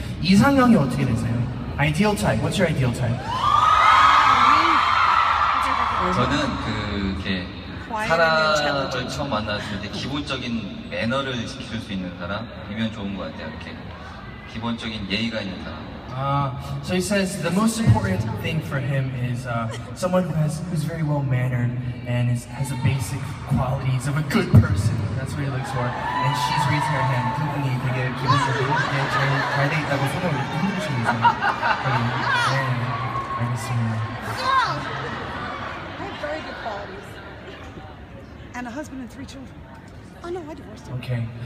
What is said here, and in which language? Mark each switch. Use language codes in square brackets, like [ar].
[ko] 이상형이 어떻게 되세요? [en] Ideal type, what's your ideal type? [ko] 저는 그게 사람을 처음 만났을 때 기본적인 매너를 지킬 수 있는 사람이면 좋은 것 같아요. 이렇게 기본적인 예의가 있는 사람. [en] So he says the most important thing for him is someone who's very well mannered and has the basic qualities of a good person. That's what he looks for. And she's raising her hand. [ko] 그분이 되게 기본적으로 잘 돼 있다고 생각을 해주시면서. 알겠습니다. [en] And a husband and three children. Oh no, I divorced him. Okay.